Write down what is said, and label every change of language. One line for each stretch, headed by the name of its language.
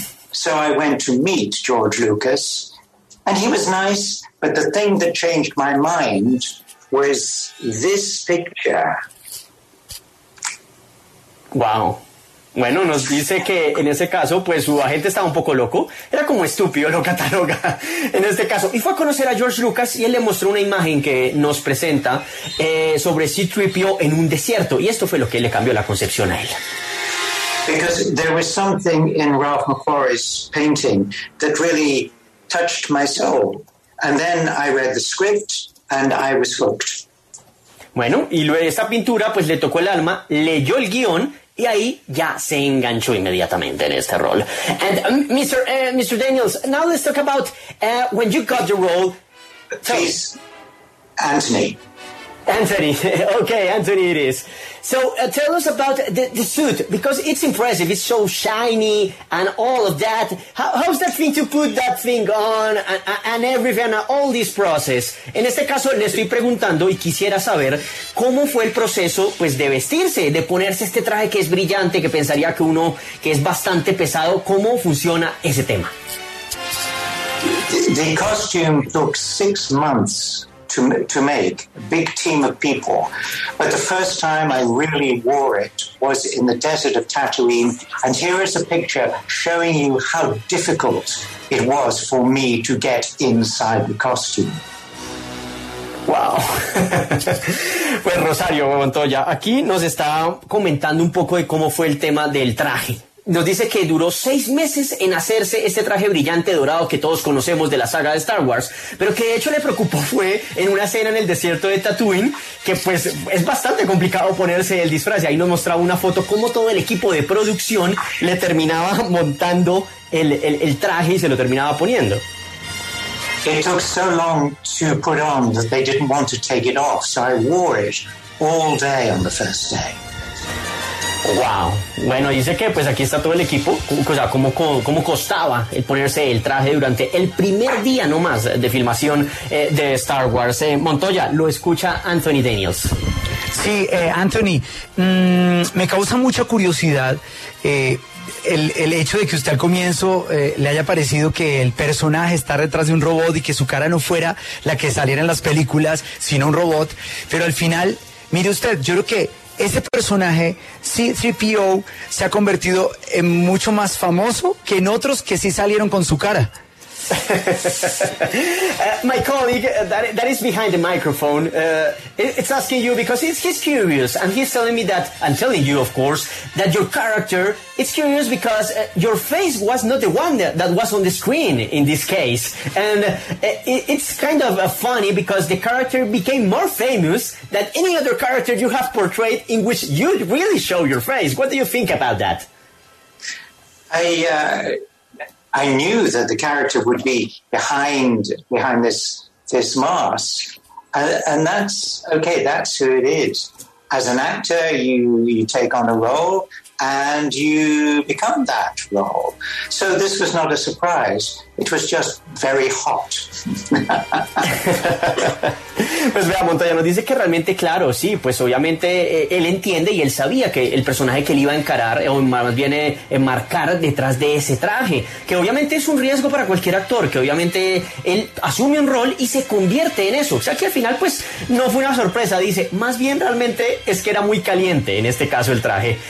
English: So I went to meet George Lucas, and he was nice, but the thing that changed my mind was this picture. Wow.
Spanish: Bueno, nos dice que en ese caso, pues su agente estaba un poco loco, era como estúpido, lo cataloga en este caso. Y fue a conocer a George Lucas y él le mostró una imagen que nos presenta sobre C-3PO en un desierto. Y esto fue lo que le cambió la concepción a él.
English: Because there was something in Ralph McQuarrie's painting that really touched my soul. And then I read the script and I was hooked.
Spanish: Bueno, y luego esta pintura pues le tocó el alma, leyó el guión, y ahí ya se enganchó inmediatamente en este rol.
English: And Mr. Daniels, now let's talk about when you got the role. Please, Anthony. Anthony, okay, Anthony it is. So tell us about the suit, because it's impressive. It's so shiny and all of that. How's that thing to put that thing on and everything, and all this process?
Spanish: En este caso, le estoy preguntando y quisiera saber cómo fue el proceso, pues, de vestirse, de ponerse este traje que es brillante, que pensaría que uno que es bastante pesado. ¿Cómo funciona ese tema?
English: The costume took 6 months to make, a big team of people. But the first time I really wore it was in the desert of Tatooine. And here is a picture showing you how difficult it was for me to get inside the costume. Wow.
Spanish: Pues Rosario Montoya aquí nos está comentando un poco de cómo fue el tema del traje. Nos dice que duró 6 meses en hacerse este traje brillante dorado que todos conocemos de la saga de Star Wars, pero que de hecho le preocupó fue en una escena en el desierto de Tatooine, que pues es bastante complicado ponerse el disfraz. Y ahí nos mostraba una foto cómo todo el equipo de producción le terminaba montando el traje y se lo terminaba poniendo.
English: It took so long to put on that they didn't want to take it off, so I wore it all day on the first day. Wow.
Spanish: Bueno, dice que pues aquí está todo el equipo, o sea, cómo costaba el ponerse el traje durante el primer día nomás de filmación de Star Wars. Montoya, lo escucha Anthony Daniels. Sí, Anthony, me causa mucha curiosidad el hecho de que usted al comienzo le haya parecido que el personaje está detrás de un robot y que su cara no fuera la que saliera en las películas, sino un robot. Pero al final, mire usted, yo creo que ese personaje, C-3PO, se ha convertido en mucho más famoso que en otros que sí salieron con su cara.
English: My colleague that is behind the microphone, it's asking you because he's curious, and he's telling me that, I'm telling you, of course, that your character, it's curious because your face was not the one that was on the screen in this case. And it's kind of funny because the character became more famous than any other character you have portrayed in which you really show your face. What do you think about that? I knew that the character would be behind this mask, and that's okay. That's who it is. As an actor, you take on a role and you become that role. So this was not a surprise. It was just very hot.
Spanish: Pues vea, Montoya nos dice que realmente, claro, sí, pues obviamente él entiende y él sabía que el personaje que él iba a encarar, o más bien enmarcar detrás de ese traje, que obviamente es un riesgo para cualquier actor, que obviamente él asume un rol y se convierte en eso. O sea que al final, pues, no fue una sorpresa, dice, más bien realmente es que era muy caliente, en este caso el traje.